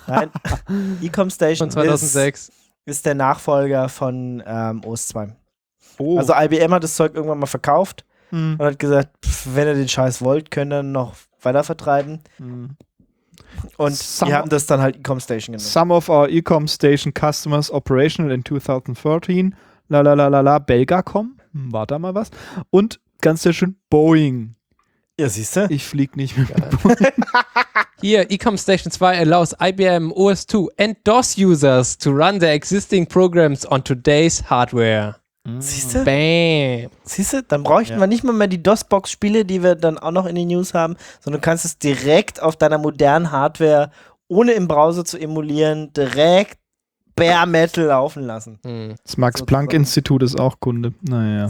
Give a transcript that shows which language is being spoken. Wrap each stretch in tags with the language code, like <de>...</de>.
<de>Nein. Ecom Station von 2006. Ist der Nachfolger von OS 2. Oh. Also IBM hat das Zeug irgendwann mal verkauft. Und hat gesagt, wenn ihr den Scheiß wollt, könnt ihr noch weiter vertreiben. Und wir haben das dann halt Ecom Station genannt.</de> <en>Some of our Ecom Station customers operational in 2013.</en> <de>La la la la la. Belgacom. War da mal was. Und ganz sehr schön Boeing. Ja, siehst du? Ich flieg nicht mit Boeing.</de> <en>Hier, Ecom Station 2 allows IBM OS 2 and DOS users to run their existing programs on today's hardware.</en> <de>Siehste? Bam. Siehste, dann bräuchten wir nicht mal die DOS-Box-Spiele, die wir dann auch noch in den News haben, sondern du kannst es direkt auf deiner modernen Hardware, ohne im Browser zu emulieren, direkt Bare Metal laufen lassen. Das Max-Planck-Institut ist auch Kunde. Naja.</de>